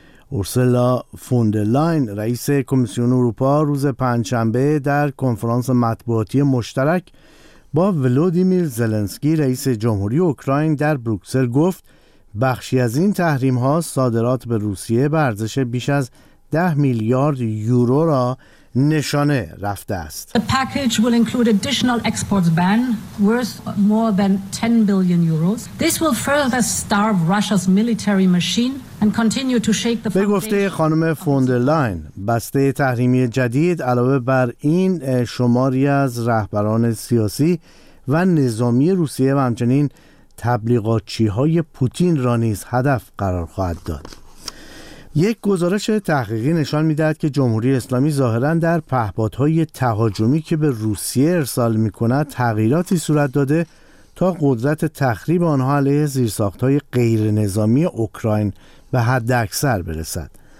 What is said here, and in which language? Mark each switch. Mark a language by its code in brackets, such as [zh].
[fa] اورسولا فون در لاین رئیس کمیسیون اروپا روز پنجشنبه در کنفرانس مطبوعاتی مشترک با ولودیمیر زلنسکی رئیس جمهوری اوکراین در بروکسل گفت بخشی از این تحریم‌ها صادرات به روسیه به ارزش بیش از 10 میلیارد یورو را نشانه رفته است. [en] The package will include additional exports ban worth more than 10 billion euros. This will further starve Russia's military machine and continue to shake the foundation. [fa] به گفته خانم فون در لاین، بسته تحریمی جدید علاوه بر این شماری از رهبران سیاسی و نظامی روسیه و همچنین تبلیغاتچی‌های پوتین را نیز هدف قرار خواهد داد. یک گزارش تحقیقی نشان می‌دهد که جمهوری اسلامی ظاهراً در پهپادهای تهاجمی که به روسیه ارسال می‌کند تغییراتی صورت داده تا قدرت تخریب آنها علیه زیرساخت‌های غیر نظامی اوکراین به حداکثر برسد.